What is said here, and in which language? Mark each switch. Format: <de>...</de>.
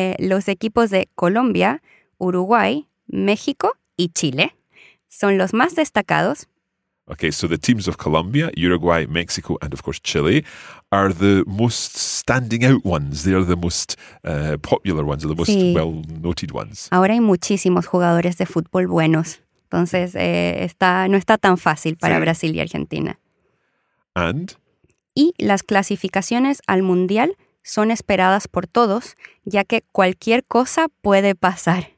<es>Los equipos de Colombia, Uruguay, México y Chile son los más destacados.</es> <en>Okay, so the teams of Colombia, Uruguay, Mexico, and of course Chile are the most standing out ones. They are the most popular ones, or the most,</en> <es>sí,</es> <en>well-noted ones.</en> <es>Ahora hay muchísimos jugadores de fútbol buenos. Entonces, no está tan fácil para, sí, Brasil y Argentina.</es> <en>And?</en> <es>Y las clasificaciones al Mundial son esperadas por todos, ya que cualquier cosa puede pasar.</es>